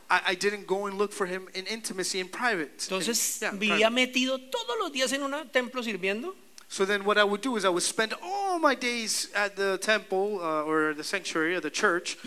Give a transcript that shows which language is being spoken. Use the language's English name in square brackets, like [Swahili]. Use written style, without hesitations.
[English] I didn't go and look for him in intimacy, in private. [Spanish] Entonces, vivía metido todos los días en un templo sirviendo. [English] So then what I would do is I would spend all my days at the temple or the sanctuary or the church